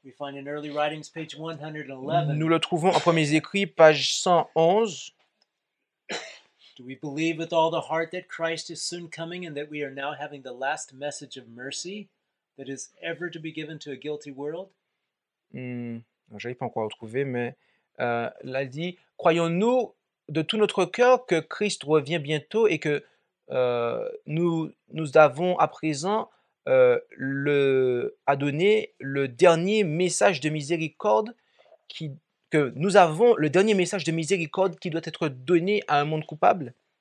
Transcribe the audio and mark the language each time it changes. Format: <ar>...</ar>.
<en>we find in early writings, page 111.</en> <fr>Nous le trouvons en premiers écrits, page 111.</fr> <en>Do we believe with all the heart that Christ is soon coming and that we are now having the last message of mercy that is ever to be given to a guilty world?</en> <fr>Je n'ai pas encore retrouvé, mais là, il dit, croyons-nous de tout notre cœur que Christ revient bientôt et que nous avons à présent à donner le dernier message de miséricorde que nous avons le dernier message de miséricorde qui doit être donné à un monde coupable?</fr>